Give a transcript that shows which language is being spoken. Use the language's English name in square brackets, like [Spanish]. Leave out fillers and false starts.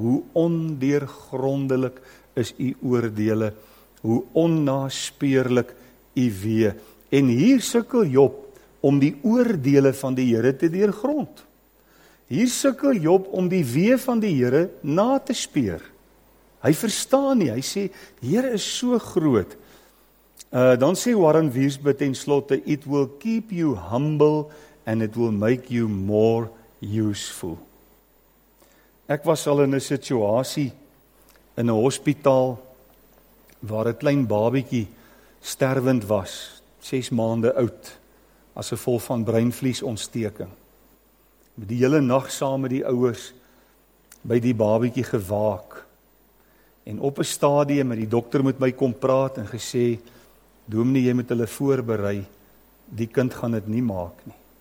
[Afrikaans] Hoe ondeurgrondelik is u oordele, hoe onnaspeurlik u weet. En hier sukkel Job om die oordele van die Here te deurgrond. Hier sukkel Job om die wee van die Here na te speur. Hy verstaan nie, hy sê, die Here is so groot. Dan sê Warren Wiersbe ten slotte, [English] it will keep you humble and it will make you more useful. [Afrikaans] Ek was al in 'n situasie in 'n hospitaal waar 'n klein babietjie sterwend was. 6 maande oud, as gevolg van breinvliesontsteking. Die hele nag saam met die ouers, by die babietjie gewaak, en op 'n stadium, het die dokter met my kom praat, en gesê, dominee, jy moet hulle voorberei, die kind gaan dit nie maak nie.